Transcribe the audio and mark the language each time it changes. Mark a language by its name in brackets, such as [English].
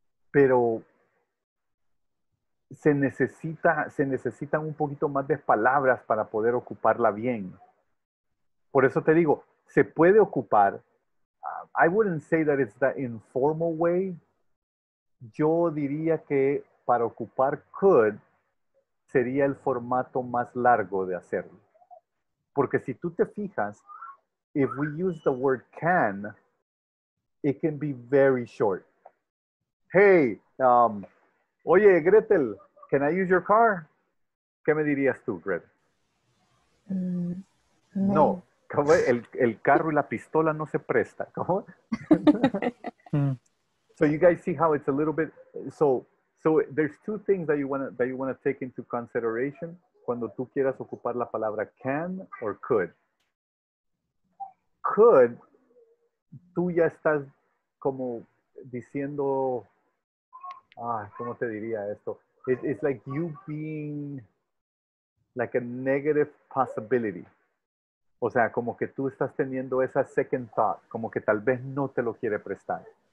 [Spanish] Pero se necesitan un poquito más de palabras para poder ocuparla bien. Por eso te digo, se puede ocupar. [English] I wouldn't say that it's the informal way. [Spanish] Yo diría que para ocupar could sería el formato más largo de hacerlo. Porque si tú te fijas, [English] if we use the word can, it can be very short. Hey, oye, Gretel, can I use your car? [Spanish] ¿Qué me dirías tú, Greta? No. El carro y la pistola no se presta. ¿Cómo? [English] So you guys see how it's a little bit... So there's two things that you wanna take into consideration [Spanish] cuando tú quieras ocupar la palabra [English] can or could. [Spanish] Could, tú ya estás como diciendo... ¿cómo te diría esto? [English] It's like you being like a negative possibility. [Spanish] O sea, como que tú estás teniendo esa [English] second thought, [Spanish] como que tal vez no te lo quiere prestar.